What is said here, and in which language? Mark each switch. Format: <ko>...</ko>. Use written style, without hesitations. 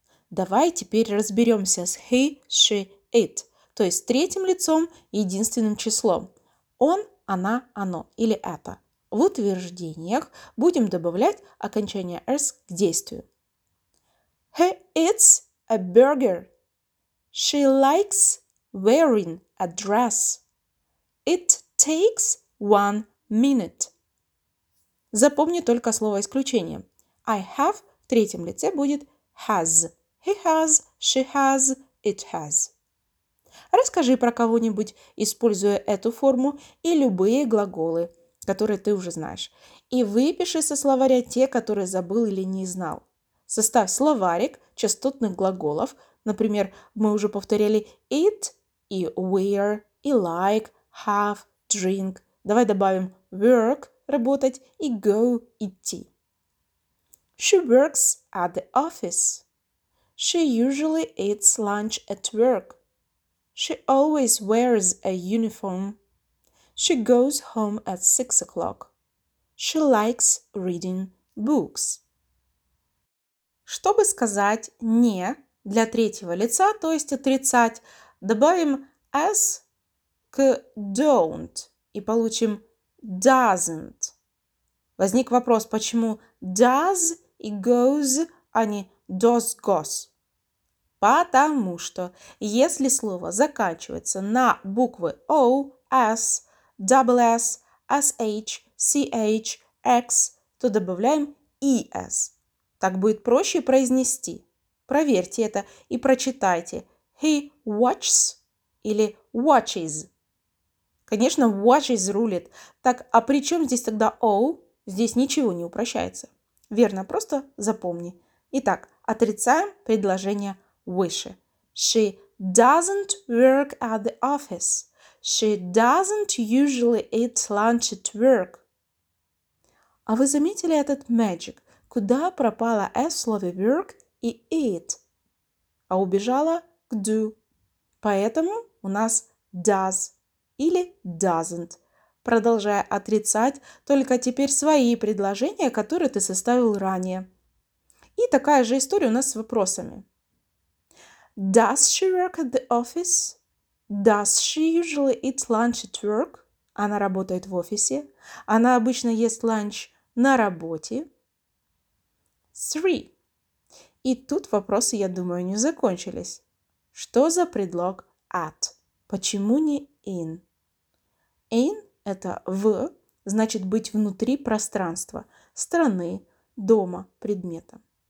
<ru>Давай теперь разберемся с</ru> <en>he, she, it,</en> <ru>то есть третьим лицом, единственным числом. Он, она, оно или это. В утверждениях будем добавлять окончание s к действию.</ru> <en>He eats a burger. She likes wearing a dress. It takes 1 minute.</en> <ru>Запомни только слово исключение.</ru> <en>I have</en> <ru>в третьем лице будет has.</ru> <en>He has, she has, it has.</en> <ru>Расскажи про кого-нибудь, используя эту форму и любые глаголы, которые ты уже знаешь. И выпиши со словаря те, которые забыл или не знал. Составь словарик частотных глаголов. Например, мы уже повторяли eat и wear и like, have, drink. Давай добавим work – работать и go – идти.</ru> <en>She works at the office. She usually eats lunch at work. She always wears a uniform. She goes home at 6 o'clock. She likes reading books.</en> <ru>Чтобы сказать «не» для третьего лица, то есть отрицать, добавим «s» к «don't» и получим «doesn't». Возник вопрос, почему «does» и «goes», а не «does goes»? Потому что если слово заканчивается на буквы «o», «s», «double s», «sh», «ch», «x», то добавляем «es». Так будет проще произнести. Проверьте это и прочитайте.</ru> <en>He watches</en> <ru>или</ru> <en>watches.</en> <ru>Конечно, watches рулит. Так, а при чем здесь тогда O? Здесь ничего не упрощается. Верно, просто запомни. Итак, отрицаем предложение выше.</ru> <en>She doesn't work at the office. She doesn't usually eat lunch at work.</en> <ru>А вы заметили этот magic? Куда пропала s в слове work и eat, а убежала к do. Поэтому у нас does или doesn't, продолжая отрицать только теперь свои предложения, которые ты составил ранее. И такая же история у нас с вопросами.</ru> <en>Does she work at the office? Does she usually eat lunch at work?</en> <ru>Она работает в офисе. Она обычно ест ланч на работе. 3. И тут вопросы, я думаю, не закончились. Что за предлог at? Почему не in? In – это в, значит быть внутри пространства, страны, дома, предмета.</ru>